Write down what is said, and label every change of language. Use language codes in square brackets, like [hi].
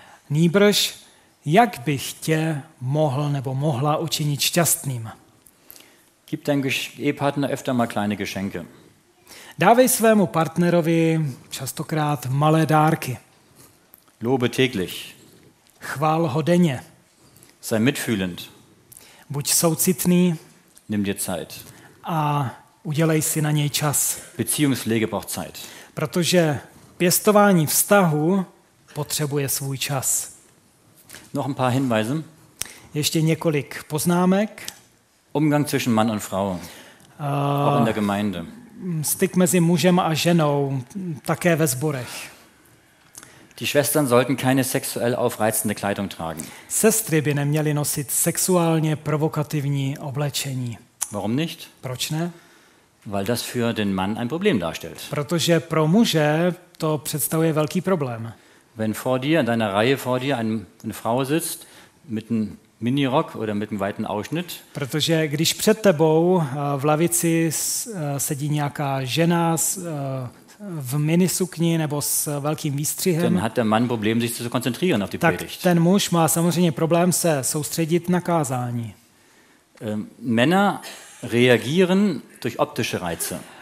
[cs] Nýbrž, jak bych tě mohl nebo mohla učinit šťastným? [de] Gib deinem Ehepartner öfter mal kleine Geschenke. [cs] Dávej svému partnerovi častokrát malé dárky. [de] Lobe täglich. [cs] Chvál ho denně. [de] Sei mitfühlend. [cs] Buď soucitný. [de] Nimm dir Zeit. [cs] A udělej si na něj čas. [de] Beziehungspflege braucht Zeit. [cs] Protože pěstování vztahu potřebuje svůj čas. [de] Noch ein paar Hinweise. [cs] Ještě několik poznámek. [de] Umgang zwischen Mann und Frau. Auch in der Gemeinde. [cs] Styk mezi mužem a ženou také ve sborech. [de] Die Schwestern sollten keine sexuell aufreizende Kleidung tragen. [cs] Sestry by neměly nosit sexuálně provokativní oblečení. [de] Warum nicht? [cs] Proč ne? [de] Weil das für den Mann ein Problem darstellt. [cs] Protože pro muže to představuje velký problém. [de] Wenn vor dir in deiner Reihe vor dir eine Frau sitzt mit einem Minirock oder mit einem weiten Ausschnitt. [cs] Protože když před tebou v lavici sedí nějaká žena v minisukni nebo s velkým výstřihem. [de] Ten hat der Mann problém sich zu konzentrieren auf die [cs] tak [de] Predigt. [cs] Ten muž má samozřejmě problém se soustředit na kázání. [de] Männer reagieren durch optische Reize.